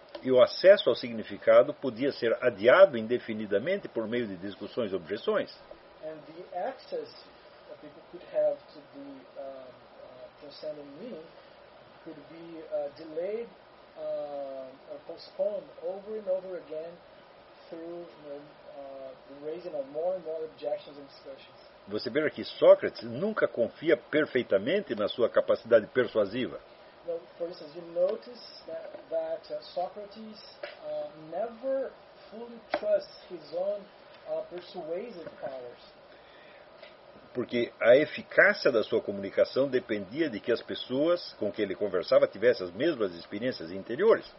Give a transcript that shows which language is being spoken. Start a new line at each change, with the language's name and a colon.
Portuguese: E o acesso ao significado podia ser adiado indefinidamente por meio de discussões e objeções.
English: And the access that people could have to the transcendent meaning could be delayed or postponed over and over again through the raising of more and more objections and discussions.
Portuguese: Você vê que Sócrates nunca confia perfeitamente na sua capacidade persuasiva.
English: Well, for instance, you notice that Socrates never fully trusts his own persuasive powers.
Portuguese: Porque a eficácia da sua comunicação dependia de que as pessoas com que ele conversava tivessem as mesmas experiências interiores.